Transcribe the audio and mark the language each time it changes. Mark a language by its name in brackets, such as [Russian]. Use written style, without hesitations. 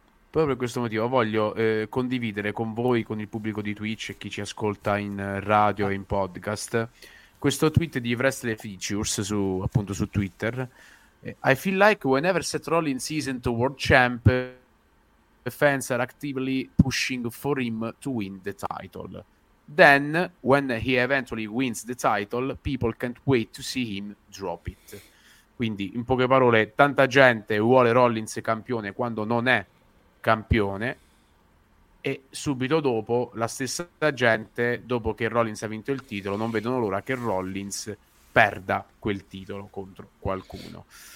[Italian] Proprio per questo motivo voglio condividere con voi, con il pubblico di Twitch e chi ci ascolta in radio e in podcast, questo tweet di Wrestling Features su Twitter. [English] I feel like whenever Seth Rollins isn't a world champ, the fans are actively pushing for him to win the title. Then, when he eventually wins the title, people can't wait to see him drop it. [Italian] Quindi, in poche parole, tanta gente vuole Rollins campione quando non è campione, e subito dopo, la stessa gente, dopo che Rollins ha vinto il titolo, non vedono l'ora che Rollins perda quel titolo contro qualcuno.